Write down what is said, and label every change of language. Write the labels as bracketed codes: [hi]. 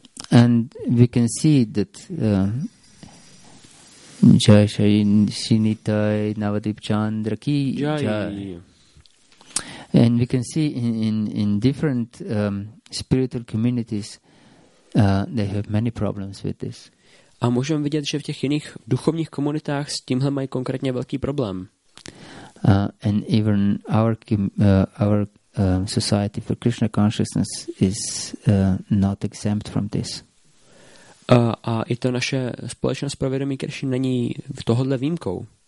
[en] And we can see that jai shai shinitai navadip chandra ki jai. And we can see in different spiritual communities they have many problems with this. [cs] A můžeme vidět, že v těch jiných duchovních komunitách s tímhle mají konkrétně velký problém. [en] And even our society for Krishna consciousness is not exempt from this. [cs] A i to naše společnost pro vědomí Krishna není v tohodle výjimkou.